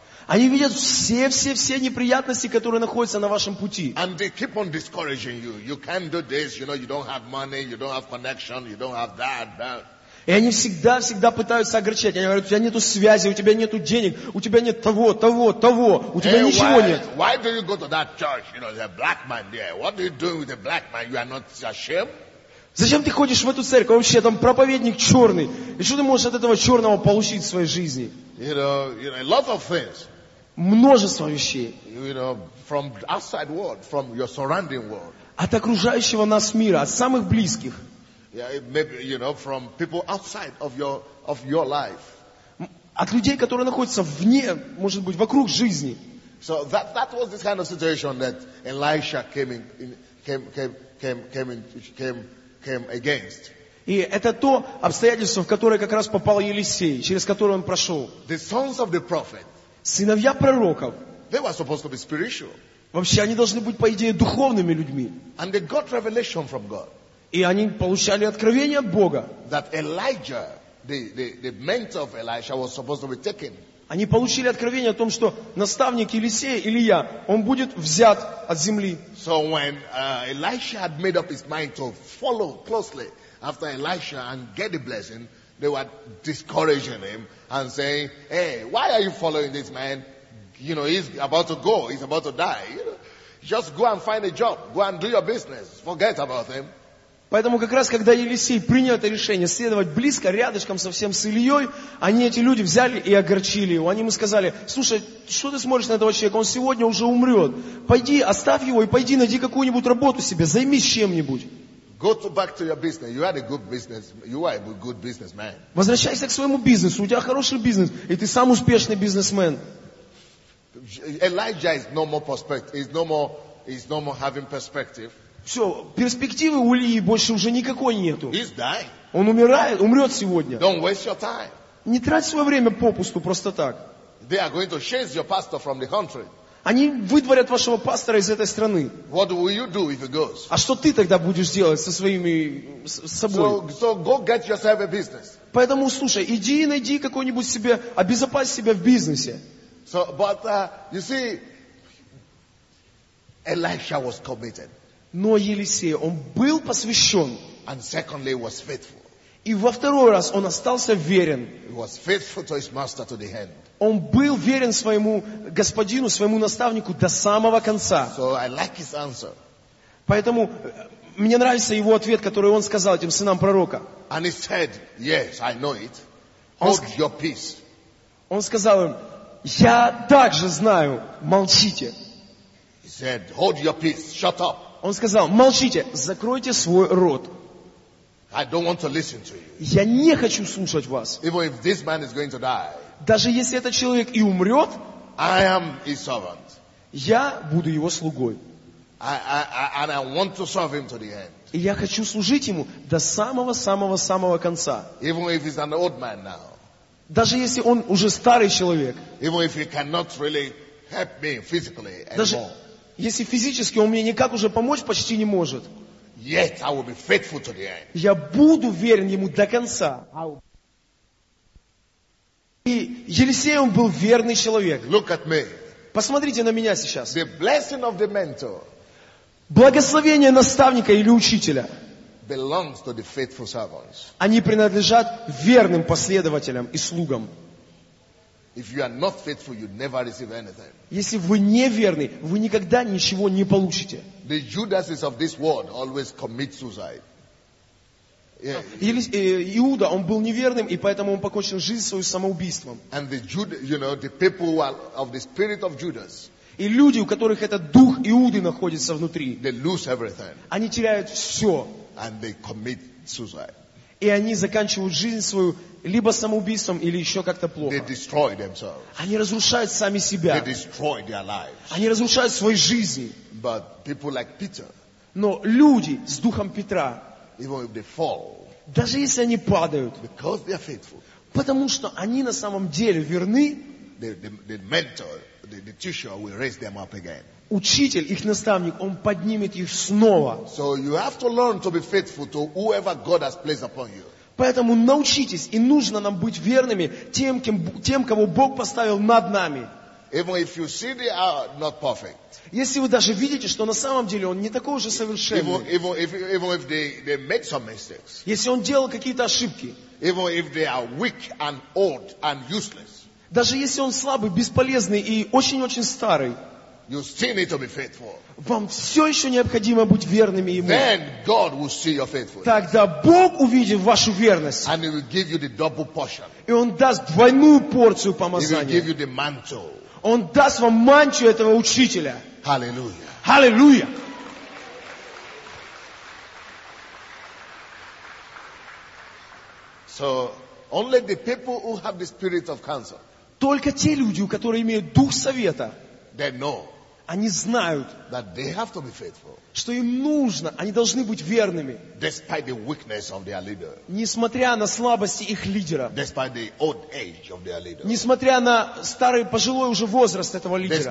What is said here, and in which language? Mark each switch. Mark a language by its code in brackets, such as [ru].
[ru] Они видят все неприятности, которые находятся на вашем пути. [en] And they keep on discouraging you. You can't do this. You know, you don't have money. You don't have connection. You don't have that. [ru] И они всегда пытаются огорчать. Они говорят: у тебя нету связи, у тебя нету денег, у тебя нет того, у тебя ничего нет. [en] Why do you go to that church? You know, there's a black man there. What do you do with a black man? You are not ashamed? [ru] Зачем ты ходишь в эту церковь? Вообще, там проповедник черный. И что ты можешь от этого черного получить в своей жизни? [en] You know, a lot of things. [ru] Множество вещей. [en] You know, from outside world, from your surrounding world. [ru] От окружающего нас мира, от самых близких. [en] Yeah, maybe, you know, from people outside of your life. [ru] От людей, которые находятся вне, может быть, вокруг жизни. [en] So that was this kind of situation that Elisha came against. [ru] И это то обстоятельство, в которое как раз попал Елисей, через которое он прошел. [en] The sons of the prophet. [ru] Сыновья пророков. [en] They were supposed to be spiritual. [ru] Вообще они должны быть, по идее, духовными людьми. [en] And they got revelation from God. [ru] И они получали откровение от Бога. [en] That Elijah, the mentor of Elijah, was supposed to be taken. [ru] Они получили откровение о том, что наставник Елисея, Илия, он будет взят от земли. [en] So when Elisha had made up his mind to follow closely after Elisha and get the blessing, they were discouraging him and saying, "Hey, why are you following this man? You know, he's about to go, he's about to die. You know, just go and find a job, go and do your business, forget about him." [ru] Поэтому как раз, когда Елисей принял это решение следовать близко, рядышком совсем с Ильей, они, эти люди, взяли и огорчили его. Они ему сказали: слушай, что ты смотришь на этого человека? Он сегодня уже умрет. Пойди, оставь его и пойди найди какую-нибудь работу себе, займись чем-нибудь. Возвращайся к своему бизнесу, у тебя хороший бизнес, и ты сам успешный бизнесмен. [en] Elijah is no more perspective, he's no more having perspective. [ru] Все, перспективы у Ильи больше уже никакой нету. [en] He's dying. [ru] Он умирает, умрет сегодня. [en] Don't waste your time. [ru] Не трать свое время попусту, просто так. [en] They are going to chase your pastor from the country. [ru] Они выдворят вашего пастора из этой страны. [en] What will you do if he goes? [ru] А что ты тогда будешь делать со своими собой? [en] So go get yourself a business. [ru] Поэтому слушай, иди и найди какой-нибудь себе, обезопась себя в бизнесе. [en] So, but you see, Elisha was committed. [ru] Но Елисей, он был посвящен. [en] And secondly, was faithful. [ru] И во второй раз он остался верен. [en] He was faithful to his master to the end. [ru] Он был верен своему господину, своему наставнику до самого конца. [en] So I like his answer. [ru] Поэтому мне нравится его ответ, который он сказал этим сынам пророка. [en] And he said, "Yes, I know it. Hold your peace." [ru] Он сказал им: "Я также знаю, молчите." [en] He said, "Hold your peace. Shut up." [ru] Он сказал: молчите, закройте свой рот. [en] I don't want to listen to you. [ru] Я не хочу слушать вас. [en] Even if this man is going to die, [ru] даже если этот человек и умрет, [en] I am his servant. [ru] Я буду его слугой. [en] And I want to serve him to the end. [ru] И я хочу служить ему до самого конца. [en] Even if he's an old man now. [ru] Даже если он уже старый человек. [en] Even if he cannot really help me physically anymore. [ru] Если физически он мне никак уже помочь почти не может, [en] yet I will be faithful to the end. Я буду верен ему до конца. [ru] И Елисей, он был верный человек. [en] Look at me. [ru] Посмотрите на меня сейчас. [en] The blessing of the mentor. [ru] Благословение наставника или учителя. [en] Belongs to the faithful servants. [ru] Они принадлежат верным последователям и слугам. [en] If you are not faithful, you never receive anything. [ru] Если вы неверны, вы никогда ничего не получите. [en] The Judases of this world always commit suicide. [ru] Иуда, он был неверным, и поэтому он покончил жизнь свою самоубийством. [en] And the Judas, you know, the people who are of the spirit of Judas. [ru] И люди, у которых этот дух Иуды находится внутри, [en] they lose everything. [ru] Они теряют все. [en] And they commit suicide. [ru] И они заканчивают жизнь свою либо самоубийством, или еще как-то плохо. [en] They destroy themselves. [ru] Они разрушают сами себя. [en] They destroy their lives. [ru] Они разрушают свои жизни. [en] But people like Peter, [ru] но люди с духом Петра, [en] even if they fall, [ru] даже если они падают, [en] because they are faithful, [ru] потому что они на самом деле верны, [en] the teacher will raise them up again. [ru] Учитель, их наставник, он поднимет их снова. [en] So you have to learn to be faithful to whoever God has placed upon you. [ru] Поэтому научитесь, и нужно нам быть верными тем, кого Бог поставил над нами. [en] Even if you see they are not perfect. [ru] Если вы даже видите, что на самом деле он не такой уже совершенный. [en] Even if they made some mistakes. [ru] Если он делал какие-то ошибки. [en] Even if they are weak and old and useless. [ru] Даже если он слабый, бесполезный и очень-очень старый, [en] you still need to be faithful. [ru] Вам все еще необходимо быть верными ему. [en] Then God will see your faithfulness. [ru] Тогда Бог увидит вашу верность. [en] And he will give you the double portion. [ru] И он даст двойную порцию помазания. [en] He will give you the mantle. [ru] Он даст вам мантию этого учителя. [en] Hallelujah. Hallelujah. So only the people who have the spirit of counsel. [ru] Только те люди, у которых имеют дух совета, [en] they know, [ru] они знают, [en] that they have to be faithful, [ru] что им нужно, они должны быть верными, [en] despite the weakness of their leader, [ru] несмотря на слабости их лидера, [en] despite the old age of their leader, [ru] несмотря на старый пожилой уже возраст этого лидера,